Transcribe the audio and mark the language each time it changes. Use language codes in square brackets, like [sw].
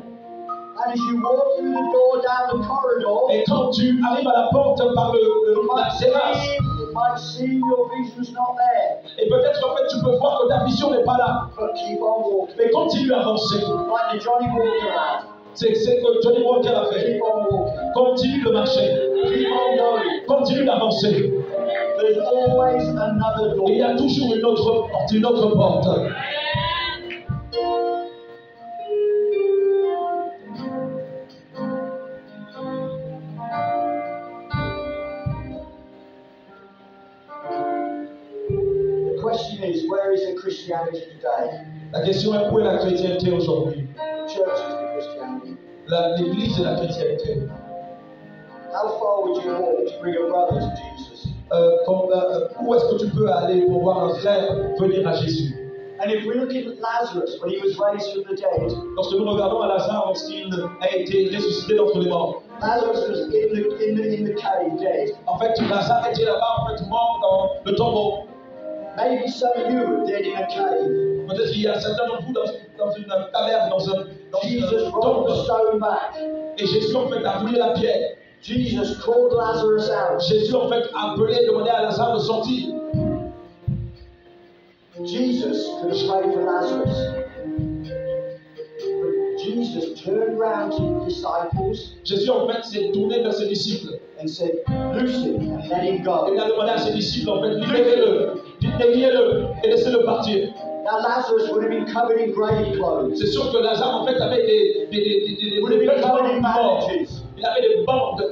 [en] And as you walk through the door down the corridor, [fr] et quand tu arrives à la porte par le terrasse, [en] you might see your vision's not there. [fr] Et peut-être en fait tu peux voir que ta vision n'est pas là. [en] But keep on walking. [fr] Mais continue à avancer. [en] Like the Johnny Walker had. [fr] C'est que Johnny Walker a fait. [en] Keep on walking. [fr] Continue de marcher. [en] Keep on going. [fr] Continue d'avancer. [en] There's always another door. [fr] Il y a toujours une autre porte. [en] The question is, where is the Christianity today? [fr] La question est, où est la chrétienté aujourd'hui? [en] Church is the Christianity. [fr] L'église est la chrétienté. [en] How far would you walk to bring a brother to Jesus? [fr] Où est-ce que tu peux aller pour voir un frère venir à Jésus? [en] And if we look at Lazarus when he was raised from the dead, [fr] lorsque nous regardons à Lazare lorsqu'il a été ressuscité d'entre les morts, [en] Lazarus was in the cave dead. [fr] En fait, Lazare était là-bas en fait mort dans le tombeau. [en] Maybe some of you are dead in a cave. [fr] Peut-être qu'il y a certains de vous dans une caverne dans [en] Jesus [fr] un tombeau. [en] Jesus rolled the stone back. [fr] Et Jésus en fait a roulé la pierre. [en] Jesus called Lazarus out. [fr] Jésus en fait appelé et demandé à Lazare de sortir. [en] Jesus could have prayed for Lazarus. But Jesus turned round to his disciples. [fr] Jésus en fait s'est tourné vers ses disciples. [en] And said, loose him and let him go. [fr] Et il a demandé à ses disciples en fait, libérez-le, déliez-le et laissez-le partir. [en] Now Lazarus would have been covered in grave clothes. [fr] C'est sûr que Lazare en fait avait des il avait des bandes.